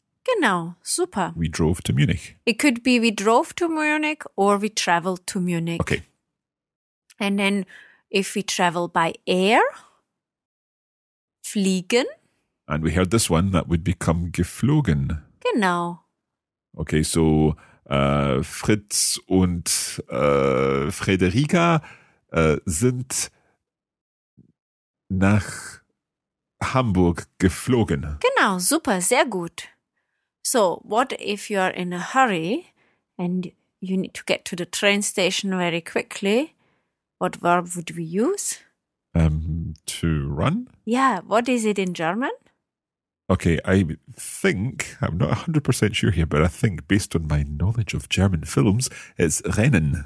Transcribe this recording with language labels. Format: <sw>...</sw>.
<de>Genau, super.</de> <en>We drove to Munich. It could be we drove to Munich or we traveled to Munich. Okay. And then if we travel by air, fliegen. And we heard this one, that would become geflogen.</en> <de>Genau.</de> <en>Okay, so</en> <de>Fritz und Frederica sind nach Hamburg geflogen. Genau, super, sehr gut.</de> <en>So, what if you are in a hurry and you need to get to the train station very quickly? What verb would we use? To run? Yeah, what is it in German? Okay, I think, I'm not 100% sure here, but I think based on my knowledge of German films, it's Rennen.</en>